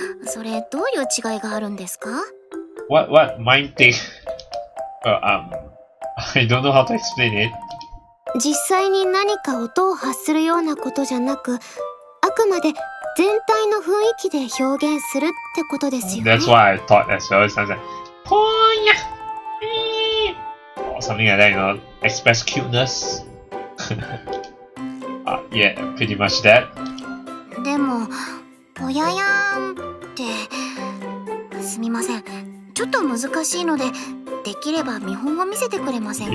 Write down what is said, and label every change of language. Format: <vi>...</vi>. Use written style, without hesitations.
<ja>それどういう違いがあるんですか？</ja> <en>What mind thing? I don't know how to explain it.</en> <ja>実際に何か音を発するようなことじゃなく、あくまで全体の雰囲気で表現するってことですよね。</ja> <en>That's what I thought as well. It sounds like ポーヤー or something like that, you know, express cuteness. yeah, pretty much that.</en> <ja>でもぽややんって…すみません、ちょっと難しいので、できれば見本を見せてくれませんか？</ja>